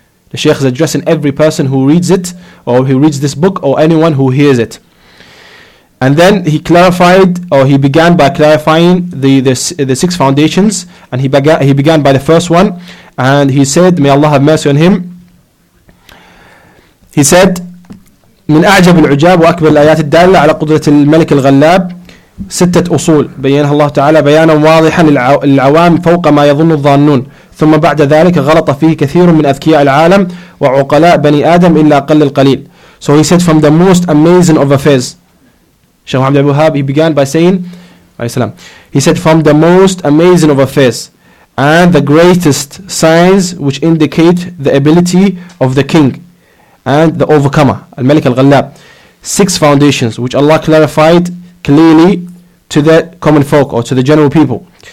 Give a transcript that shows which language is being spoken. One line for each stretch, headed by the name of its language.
English: The Sheikh is addressing every person who reads it or who reads this book or anyone who hears it. And then he began by clarifying the six foundations, and he began by the first one, and he said, may Allah have mercy on him. He said,
Arabic: من أعجب العجاب وأكبر الآيات الدالة على قدرة الملك الغلاب ستة أصول بينها الله تعالى بيانا واضحا للعوام فوق ما يظن الظانون، ثم بعد ذلك غلط فيه كثير من أذكياء العالم وعقلاء بني آدم إلا قل القليل.
English: So he said from the most amazing of affairs. Shaykh Muhammad Abu Wahab, he began by saying, he said from the most amazing of affairs and the greatest signs which indicate the ability of the king and the overcomer, al-Malik al-Ghallab, six foundations which Allah clarified clearly to the common folk or to the general people.